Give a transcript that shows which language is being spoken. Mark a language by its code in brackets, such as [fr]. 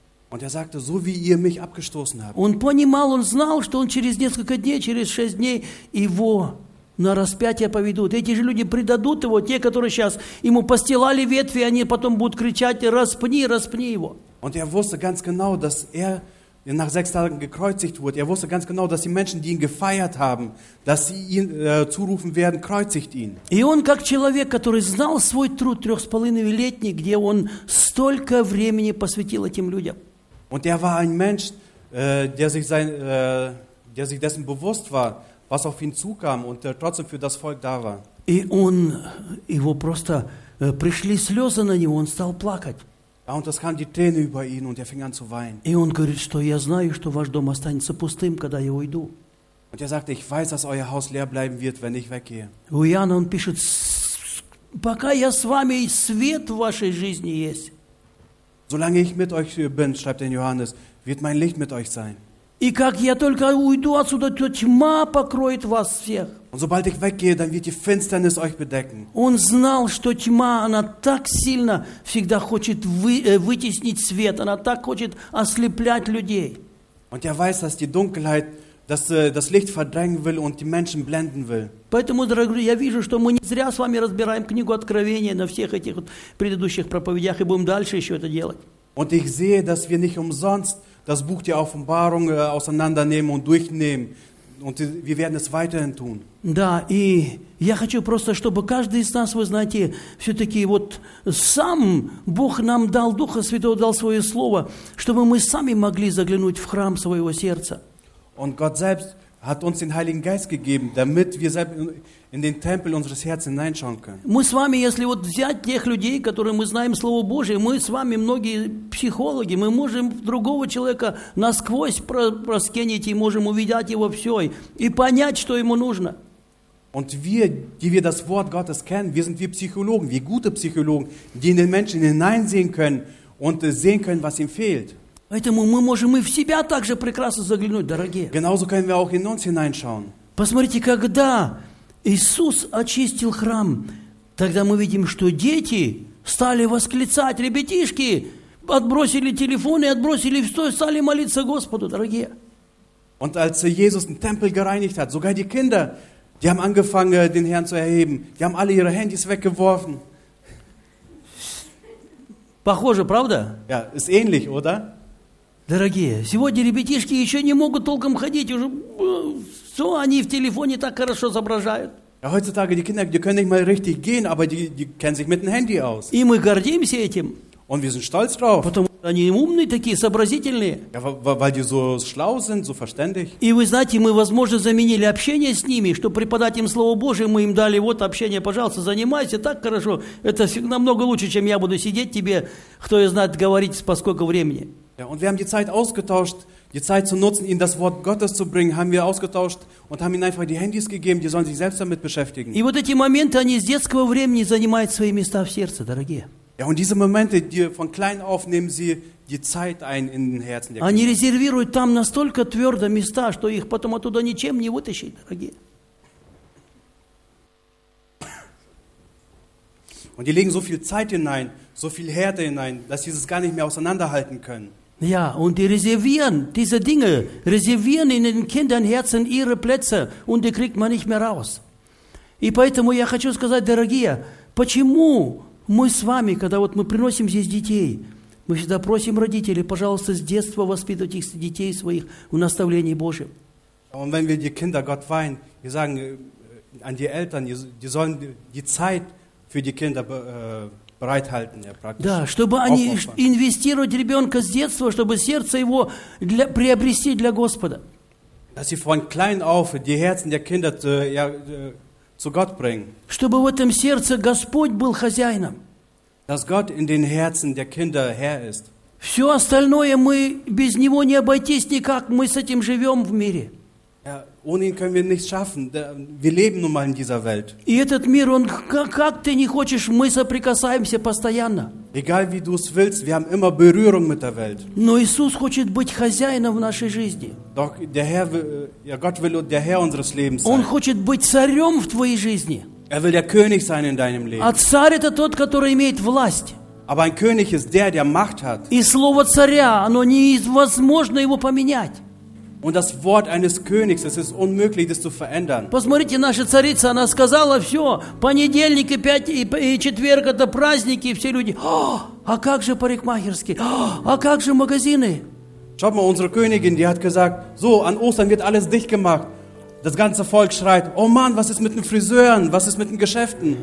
[de] Und er sagte, so wie ihr mich abgestoßen habt. [ru] Он понимал, он знал, что он через несколько дней, через шесть дней его на распятие поведут. Эти же люди предадут его, те, которые сейчас ему постилали ветви, они потом будут кричать, распни, распни его. [de] Und er wusste ganz genau, dass er nach sechs Tagen gekreuzigt wurde. Er wusste ganz genau, dass die Menschen, die ihn gefeiert haben, dass sie ihn zurufen werden, kreuzigt ihn. [ru] И он как человек, который знал свой труд 3,5-летний, где он столько времени посвятил этим людям. [de] Und er war ein Mensch, der sich dessen bewusst war, was auf ihn zukam und der trotzdem für das Volk da war. [ru] И он, его просто пришли слезы на него, он стал плакать. [de] Ja, und es kamen die Tränen über ihn und er fing an zu weinen. Und er sagte, ich [ru] знаю, что ваш дом останется пустым, когда я уйду. [de] Und er sagte, ich weiß, dass euer Haus leer bleiben wird, wenn ich weggehe. [ru] У Иоанна он пишет, пока я с вами, свет в вашей жизни есть. [de] Solange ich mit euch bin, schreibt in Johannes, wird mein Licht mit euch sein. [ru] И как я только уйду отсюда, то тьма покроет вас всех. [de] Und sobald ich weggehe, dann wird die Finsternis euch bedecken. [ru] Он знал, что тьма, она так сильно всегда хочет вытеснить свет, она так хочет ослеплять людей. [de] Und er weiß, dass die Dunkelheit das Licht verdrängen will und die Menschen blenden will. [ru] Поэтому, дорогие, я вижу, что мы не зря с вами разбираем книгу Откровения на всех этих предыдущих проповедях и будем дальше еще это делать. [de] Und ich sehe, dass wir nicht umsonst das Buch der Offenbarung auseinandernehmen und durchnehmen. Und wir werden es weiterhin tun. [ru] Да, и я хочу просто, чтобы каждый из нас, вы знаете, все-таки вот сам Бог нам дал Духа Святого, дал свое Слово, чтобы мы сами могли заглянуть в храм своего сердца. [de] Und Gott selbst hat uns den Heiligen Geist gegeben, damit wir selbst in den Tempel unseres Herzens hineinschauen können. [ru] Мы с вами, если вот взять тех людей, которые мы знаем Слово Божие, мы с вами многие психологи, мы можем другого человека насквозь проскенить и можем увидеть его все и понять, что ему нужно. [de] Und wir, die wir das Wort Gottes kennen, wir sind wie Psychologen, wie gute Psychologen, die in den Menschen hineinsehen können und sehen können, was ihm fehlt. [ru] Поэтому мы можем и в себя также прекрасно заглянуть, дорогие. [de] Genauso können wir auch in uns hineinschauen. [ru] Посмотрите, когда Иисус очистил храм, тогда мы видим, что дети стали восклицать, ребятишки отбросили телефоны, отбросили все, стали молиться Господу, дорогие. [de] Und als Jesus den Tempel gereinigt hat, sogar die Kinder, die haben angefangen, den Herrn zu erheben, die haben alle ihre Handys weggeworfen. [ru] Похоже, правда? [de] Ja, ist ähnlich, oder? [ru] Дорогие, сегодня ребятишки еще не могут толком ходить, уже все, они в телефоне так хорошо изображают. [de] Ja, heutzutage die Kinder, die können nicht mal richtig gehen, aber die kennen sich mit dem Handy aus. [ru] И мы гордимся этим. [de] Und wir sind stolz drauf. [ru] Потому что они умные такие, сообразительные. [de] Ja, weil die so schlau sind, so verständig. [ru] И вы знаете, мы, возможно, заменили общение с ними, чтобы преподать им Слово Божие, мы им дали вот общение, пожалуйста, занимайся, так хорошо. Это намного лучше, чем я буду сидеть тебе, кто я знает, говорить по сколько времени. [de] Ja, und wir haben die Zeit ausgetauscht, die Zeit zu nutzen, ihnen das Wort Gottes zu bringen, haben wir ausgetauscht und haben ihnen einfach die Handys gegeben, die sollen sich selbst damit beschäftigen. [ru] И вот эти моменты, они с детского времени занимают свои места в сердце, дорогие. [de] Ja, und diese Momente, die von klein auf nehmen sie die Zeit ein in den Herzen der Kinder. [ru] Они резервируют там настолько твердо места, что их потом оттуда ничем не вытащить, дорогие. [de] Und die legen so viel Zeit hinein, so viel Härte hinein, dass sie es gar nicht mehr auseinanderhalten können. Ja, und die reservieren diese Dinge, reservieren in den Kindern Herzen ihre Plätze und die kriegt man nicht mehr raus. [ru] И поэтому я хочу сказать, дорогие, почему Мы с вами, когда вот мы приносим здесь детей, мы всегда просим родителей, пожалуйста, с детства воспитывайте их, детей своих, в наставлении Божьем. [de] Und wenn wir die Kinder Gott weihen, wir sagen an die Eltern, die sollen die Zeit für die Kinder bereithalten, ja, praktisch. [ru] Да, чтобы они инвестировать ребенка с детства, чтобы сердце его для, приобрести для Господа. [de] Dass sie von klein auf die Herzen der Kinder zu, ja, zu Gott bringen. [ru] Чтобы в этом сердце Господь был хозяином. [de] Dass Gott in den Herzen der Kinder Herr ist. [ru] Все остальное мы без него не обойтись никак, мы с этим живем в мире. [de] Ja, ohne ihn können wir nichts schaffen. Wir leben nun mal in dieser Welt. [ru] И этот мир, он как ты не хочешь, мы соприкасаемся постоянно. [de] Egal wie du es willst, wir haben immer Berührung mit der Welt. [ru] Но Иисус хочет быть хозяином в нашей жизни. [de] Doch der Herr, ja, Gott will der Herr unseres Lebens sein. [ru] Он хочет быть царем в твоей жизни. [de] Er will der König sein in deinem Leben. [ru] А царь это тот, который имеет власть. [de] Aber ein König ist der, der Macht hat. [ru] И слово царя, оно невозможно его поменять. [de] Und das Wort eines Königs, es ist unmöglich, das zu verändern. [ru] Посмотрите, наша царица, она сказала все. Понедельник и пятница и четверг это праздники, и все люди. А как же парикмахерские? А как же магазины? [de] Schaut mal, unsere Königin, die hat gesagt, so an Ostern wird alles dicht gemacht. Das ganze Volk schreit, oh Mann, was ist mit den Friseuren? Was ist mit den Geschäften?